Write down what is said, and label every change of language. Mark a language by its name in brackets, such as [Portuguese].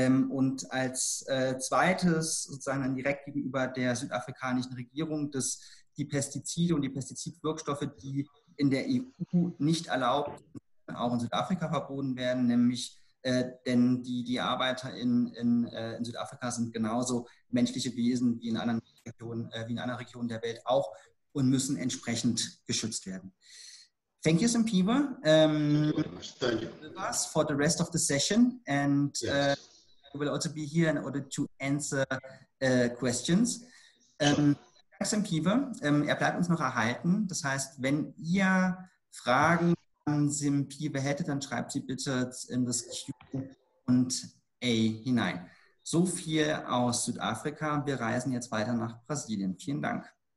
[German] Und als zweites sozusagen dann direkt gegenüber der südafrikanischen Regierung, dass die Pestizide und die Pestizidwirkstoffe, die in der EU nicht erlaubt, auch in Südafrika verboten werden, nämlich denn die Arbeiter in Südafrika sind genauso menschliche Wesen wie in anderen Regionen, wie in anderen Regionen der Welt auch, und müssen entsprechend geschützt werden. [English] Thank you, Simpiwe. Thank you. For the rest of the session, and yes. We will also be here in order to answer questions. [German] Simpiwe, er bleibt uns noch erhalten. Das heißt, wenn ihr Fragen an Simpiwe hättet, dann schreibt sie bitte in das Q&A hinein. So viel aus Südafrika. Wir reisen jetzt weiter nach Brasilien. Vielen Dank.